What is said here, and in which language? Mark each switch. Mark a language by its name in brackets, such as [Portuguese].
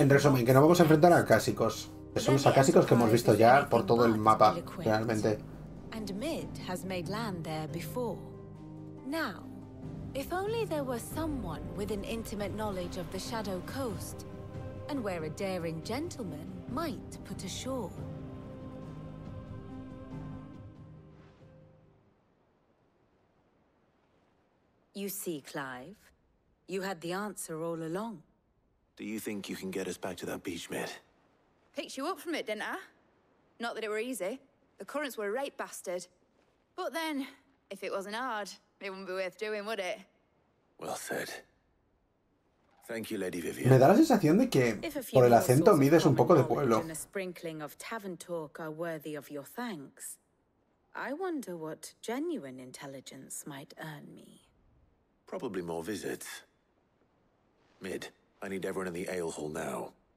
[Spanish] En resumen, que no vamos a enfrentar a Akásicos. Son los Akásicos que hemos visto ya por todo el mapa, realmente. [English] And Mid has made land there before. Now, if only there were someone with an intimate knowledge of the Shadow Coast and where a daring gentleman might put ashore. You see, Clive, you had the answer all along. Do you think you can get us back to that beach, mate? Picked you up from it, didn't I? Not that it were easy. The currents were a rape bastard. But then, if it wasn't hard, it wouldn't be worth doing, would it? Well said. Thank you, Lady Vivian. [Spanish] Me da la sensación de que, por el acento, mides un poco de pueblo. [English] And a sprinkling of tavern talk are worthy of your thanks. I wonder what genuine intelligence might earn me. Probably more visits. Mid, I need everyone in the ale hall now.